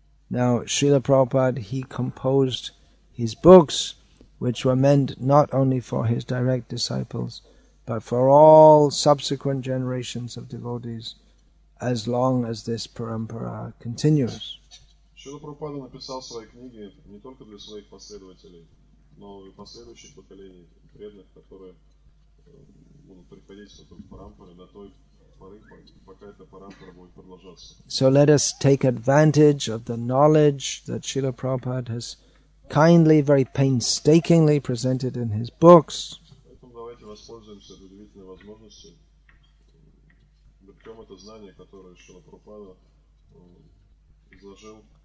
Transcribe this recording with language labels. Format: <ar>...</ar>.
<en>Now, Srila Prabhupada, he composed his books, which were meant not only for his direct disciples, but for all subsequent generations of devotees, as long as this parampara continues.</en> <ru>Srila Prabhupada написал свои книги не только для своих последователей, но и последующих поколений преданных, которые будут приходить в эту парампару до той поры, пока эта парампара будет продолжаться.</ru> <en>So let us take advantage of the knowledge that Srila Prabhupada has kindly, very painstakingly presented in his books.</en> <ru>Поэтому давайте воспользуемся удивительной возможностью, берем это знание, которое Шрила Прабхупада изложил.</ru>